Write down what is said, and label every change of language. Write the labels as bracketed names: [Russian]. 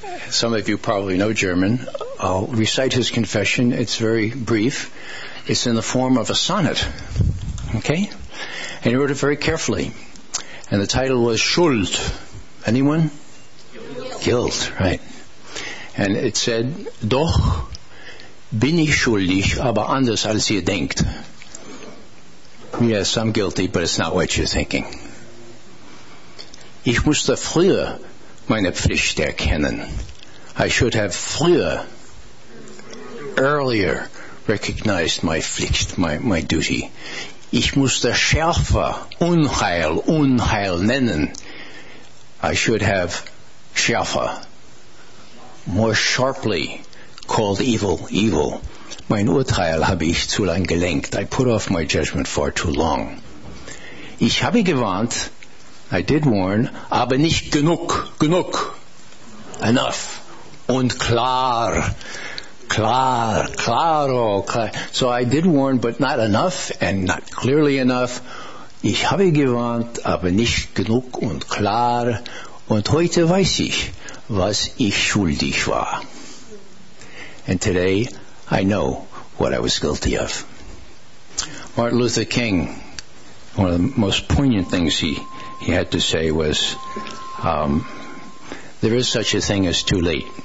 [English] Some of you probably know German. I'll recite his confession. It's very brief. It's in the form of a sonnet. Okay? And he wrote it very carefully. And the title was Schuld. Anyone? Guilt. Guilt, right. And it said, [German] Doch bin ich schuldig, aber anders als ihr denkt. [English] Yes, I'm guilty, but it's not what you're thinking. [German] Ich musste früher meine Pflicht erkennen. [English] I should have earlier recognized my Pflicht, my duty. [German] Ich musste schärfer Unheil nennen. [English] I should have schärfer, more sharply called evil. [German] Mein Urteil habe ich zu lang gelenkt. [English] I put off my judgment far too long. [German] Ich habe gewarnt, [English] I did warn, [German] aber nicht genug, enough. Und klar. [English] So I did warn, but not enough, and not clearly enough. [German] Ich habe gewarnt, aber nicht genug und klar. Und heute weiß ich, was ich schuldig war. [English] And today, I know what I was guilty of. Martin Luther King, one of the most poignant things he had to say was, there is such a thing as too late.